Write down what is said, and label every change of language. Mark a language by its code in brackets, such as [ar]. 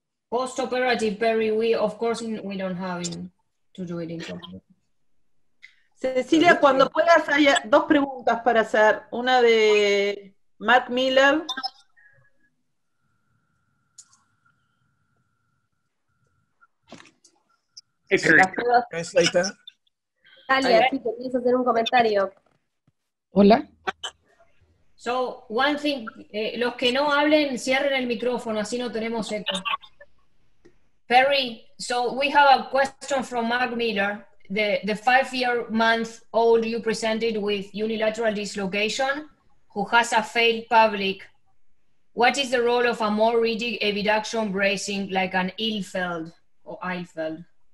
[en] Post-operative, Perry, we don't have to do it in [es] quirófano. Cecilia, cuando puedas, hay dos preguntas para hacer. Una de Mark Miller. [en] Hey, Perry, can I translate that? [es] Natalia, si querías hacer un comentario. Hola. [en] So, one thing, [es] los que no hablen, cierren el micrófono, así no tenemos eco. [en] Perry, so we have a question from Mark Miller. The 5-year-old you presented with unilateral dislocation, who has a failed pelvic, what is the role of a more rigid abduction bracing like an Ilfeld or Eilfeld?